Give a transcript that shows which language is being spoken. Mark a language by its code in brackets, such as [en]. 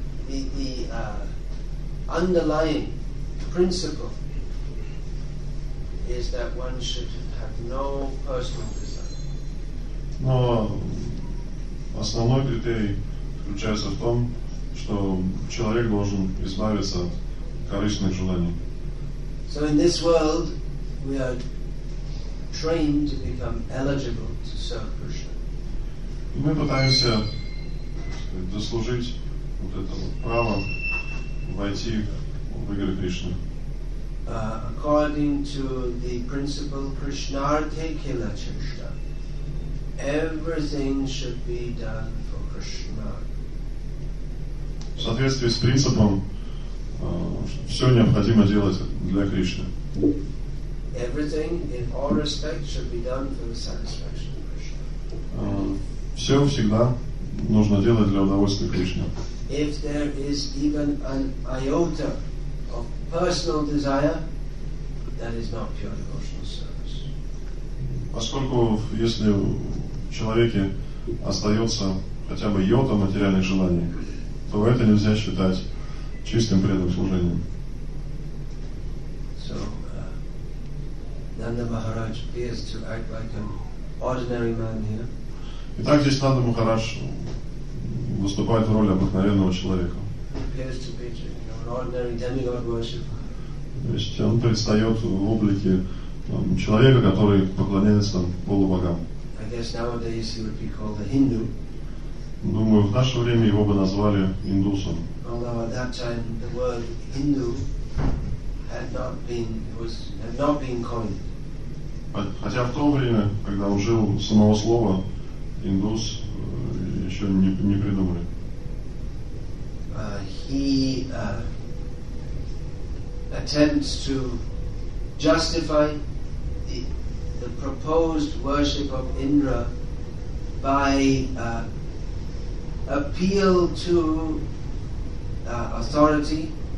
[en] And the underlying principle is that one should have no personal desire. [ru] Но основной критерий заключается в том, что человек должен избавиться от корыстных желаний. [en] So in this world we are trained to become eligible to serve Krishna. [ru] И мы пытаемся заслужить вот это вот право войти в игры Кришны. [en] According to the principle [sa] Krishnarthe Kila Chashta, [en] everything should be done for Krishna. [ru] В соответствии с принципом, все необходимо делать для Кришны. [en] Everything in all respect should be done for the satisfaction of Krishna. [ru] Все всегда нужно делать для удовольствия Кришны. [en] If there is even an iota of personal desire, that is not pure devotional service. [ru] Поскольку если в человеке остается хотя бы йота материальных желаний, то это нельзя считать чистым преданным служением. [en] So, Nanda Maharaj appears to act like an ordinary man here. [ru] Итак, здесь Нанда Махарадж выступает в роли обыкновенного человека. То есть он предстает в облике человека, который поклоняется полубогам. [en] I guess nowadays he would be called a Hindu. [ru] Думаю, в наше время его бы назвали индусом. [en] Although at that time the word Hindu had not been coined. [ru] Хотя в то время, когда он жил, самого слова индус еще не придумали. [en] He attempts to justify the proposed worship of Indra by appeal to authority